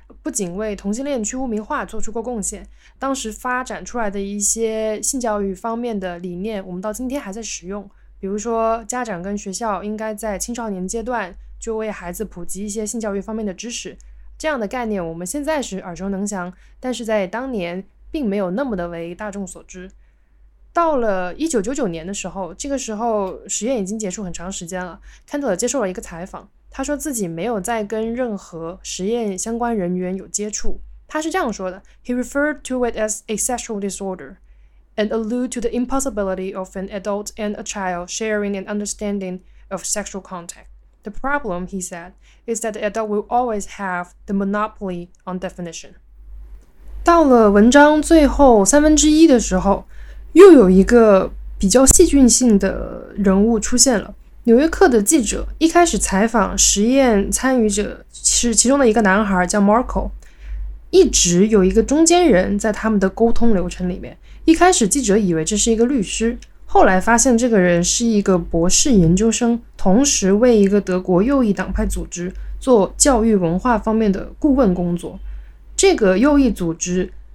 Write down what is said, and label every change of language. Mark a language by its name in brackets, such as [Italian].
[Chinese] 不仅为同性恋去污名化做出过贡献，当时发展出来的一些性教育方面的理念我们到今天还在使用，比如说家长跟学校应该在青少年阶段就为孩子普及一些性教育方面的知识，这样的概念我们现在是耳熟能详，但是在当年并没有那么的为大众所知。到了1999年的时候，这个时候实验已经结束很长时间了， Kentler 接受了一个采访，他说自己没有再跟任何实验相关人员有接触。他是这样说的， [English] He referred to it as a sexual disorder and allude to the impossibility of an adult and a child sharing an understanding of sexual contact. The problem, he said, is that the adult will always have the monopoly on definition. [Chinese] 到了文章最后三分之一的时候，又有一个比较戏剧性的人物出现了。纽约客的记者一开始采访实验参与者是其中的一个男孩叫 Marco， 一直有一个中间人在他们的沟通流程里面，一开始记者以为这是一个律师，后来发现这个人是一个博士研究生，同时为一个德国右翼党派组织做教育文化方面的顾问工作。这个右翼组织